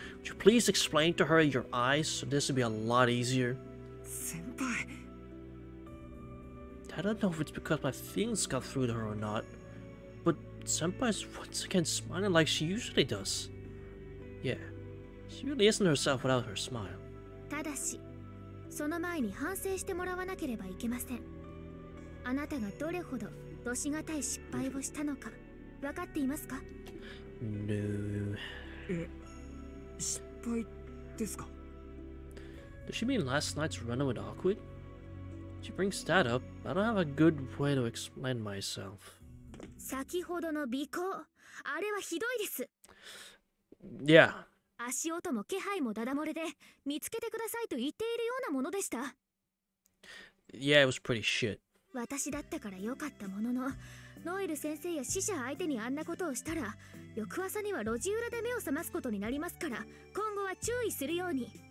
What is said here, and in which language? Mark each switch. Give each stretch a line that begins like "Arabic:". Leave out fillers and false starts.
English: Would you please explain to her your eyes so this would be a lot easier?
Japanese: 先輩。
English: I don't know if it's because my feelings got through to her or not. Senpai is once again smiling like she usually does. Yeah, she really isn't herself without her smile.
Japanese: ただし、その前に反省してもらわなければいけません。あなたがどれほどどしがたい失敗をしたのか、分かっていますか？
English: No.
Japanese: え、失敗ですか？
English: Does she mean last night's run-in with Awkward? She brings that up, but I don't have a good way to explain myself.
Japanese: 先ほどの尾行、あれはひどいです。
English: Yeah.
Japanese: 足音も気配もダダ漏れで、見つけてくださいと言っているようなものでした。
English: Yeah, it was pretty shit.
Japanese: 私だったから良かったものの、ノエル先生や死者相手にあんなことをしたら、翌朝には路地裏で目を覚ますことになりますから、今後は注意するように。